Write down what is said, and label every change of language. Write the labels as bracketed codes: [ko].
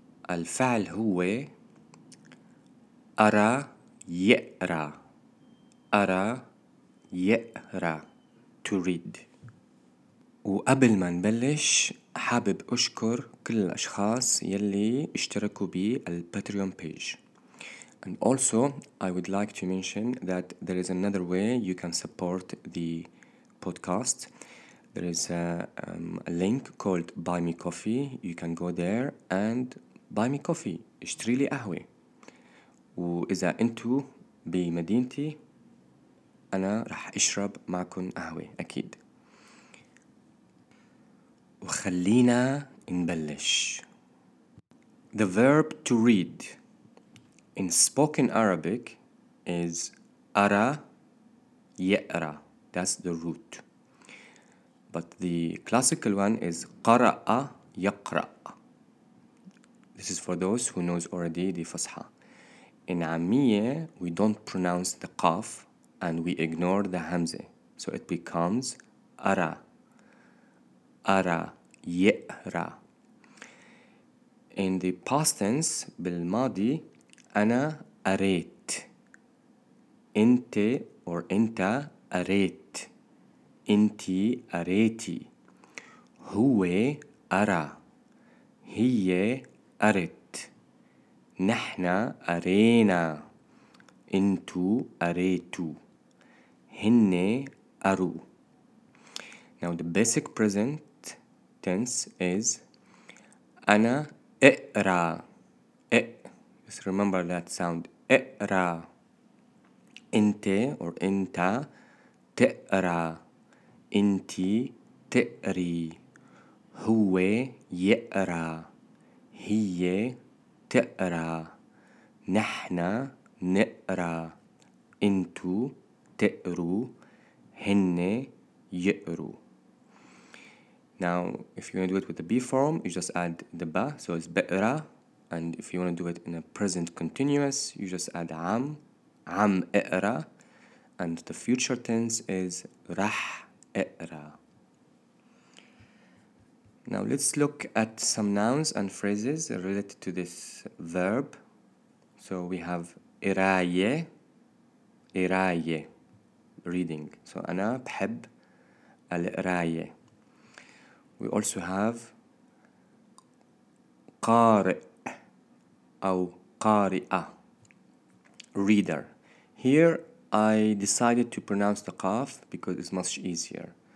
[ar] الفعل هو أرى يقرى، أرى يقرى، [en] to read. [ar] وقبل ما نبلش حابب أشكر كل الأشخاص يلي اشتركوا بالباتريون بيج. [en] And also, I would like to mention that there is another way you can support the podcast. There is a link called Buy Me Coffee. You can go there and buy me coffee. [ar] اشتري لي قهوة. وإذا أنتو بمدينتي، أنا رح أشرب معكم قهوة أكيد. وخلينا نبلش. [en] The verb to read in spoken Arabic is ara yaqra. That's the root. But the classical one is qara'a yaqra'. This is for those who knows already the fasha. In Amiyya, we don't pronounce the qaf and we ignore the hamza. So it becomes ara. Ara yaqra. In the past tense, bil madi, [ar] أنا أريت. أنت [en] or [ar] أنت أريت. أنت أريتي. هو أرى. هي أرت. نحن أرينا. أنتو أريتو. هن أروا. [en] Now the basic present tense is [ar] أنا أقرا. [en] Just remember that sound. [ar] اقرأ. انت [en] or [ar] انت تقرأ. انت تقري. هو يقرأ. هي تقرأ. نحن نقرأ. انتو تقروا. هن يقروا. [en] Now if you want to do it with the B form, you just add the ba, so it's بقرأ. And if you want to do it in a present continuous, you just add [ar] عم, عم اقرا. [en] And the future tense is [ar] رح اقرا. [en] Now let's look at some nouns and phrases related to this verb. So we have إراية, إراية, reading. So [ar] أنا بحب الإراية. [en] We also have [ar] قارئ أو قارئة, [en] reader. Here I decided to pronounce the قاف because it's much easier.